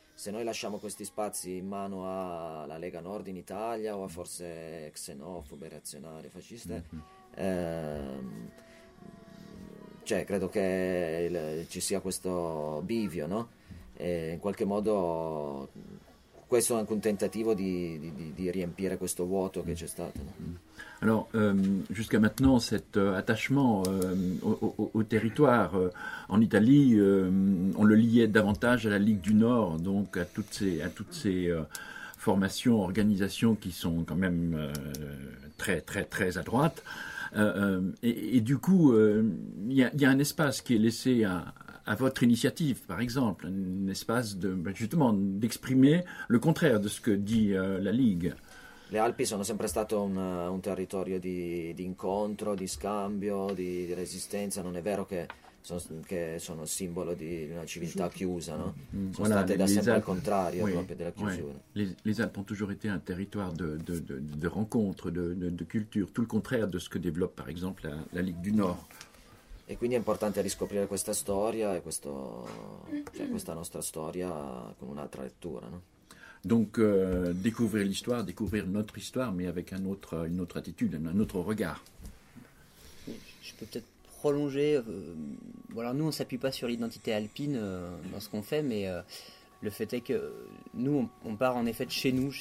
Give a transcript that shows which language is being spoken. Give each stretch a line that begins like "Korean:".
Italian: Se noi lasciamo questi spazi in mano alla Lega Nord in Italia o a forze xenofobe, reazionarie, fasciste, cioè credo che ci sia questo bivio, no? E in qualche modo questo è anche un tentativo di riempire questo vuoto che c'è stato, no?
French: Alors, jusqu'à maintenant, cet attachement au territoire en Italie, on le liait davantage à la Ligue du Nord, donc à toutes ces formations, organisations qui sont quand même très, très, très à droite. Et du coup, il y a un espace qui est laissé à votre initiative, par exemple, un espace de, justement d'exprimer le contraire de ce que dit la Ligue.
Italian: Le Alpi sono sempre stato un territorio di incontro, di scambio, di resistenza. Non è vero che sono simbolo di una civiltà chiusa, no? Sono voilà, state da sempre Alpes, il contrario, oui, proprio della chiusura.
French: Oui. Les Alpes ont toujours été un territoire de rencontre, de culture, tout le contraire de ce que développe, par exemple, la Ligue du Nord.
Italian: E quindi è importante riscoprire questa storia e questa nostra storia con un'altra lettura, no?
French: Donc découvrir l'histoire, découvrir notre histoire, mais avec une autre attitude, un autre regard. Je peux peut-être prolonger. Voilà, nous on s'appuie pas sur l'identité alpine dans ce qu'on fait, mais le fait est que nous on part en effet de chez nous.